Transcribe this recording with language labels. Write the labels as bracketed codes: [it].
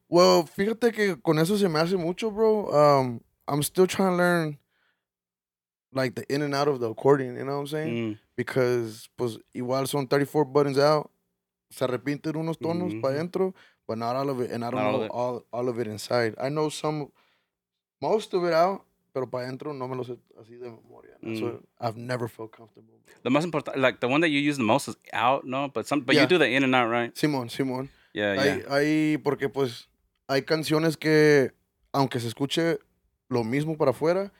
[es] Well, fíjate que con eso se me hace mucho, bro. [en] I'm still trying to learn like the in and out of the accordion, you know what I'm saying? Mm. Because [es] pues igual son 34 [en] buttons out. [es] Se arrepinten unos tonos mm-hmm. para adentro, [en] but not all of it. And I don't know all of it inside. I know some, most of it out, [es] pero para adentro no me lo sé así de memoria. Mm. [en] So I've never felt comfortable. The most important, like the one that you use the most is out, no? But yeah. You do the in and out, right? [es] Simón. [en] Yeah. [es] Porque pues hay canciones que, aunque se escuche lo mismo para afuera,